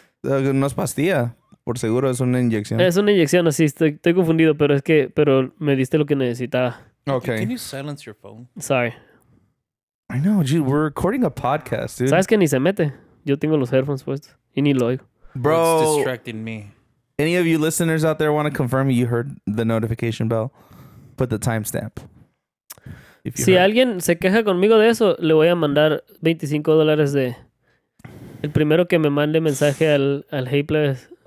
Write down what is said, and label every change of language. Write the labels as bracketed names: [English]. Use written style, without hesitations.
[Spanish] No es pastilla, por seguro es una inyección. Es una inyección, así estoy confundido, pero es que me diste lo que necesitaba. [English] Okay. Can you silence your phone? Sorry. I know, dude. We're recording a podcast, dude. [Spanish] ¿Sabes que ni se mete? Yo tengo los headphones puestos y ni lo oigo. [English] Bro. It's distracting me. Any of you listeners out there want to confirm you heard the notification bell? Put the timestamp. Si heard. [Spanish] Alguien se queja conmigo de eso, le voy a mandar $25 de... El primero que me mande mensaje al, al Hey Plebes.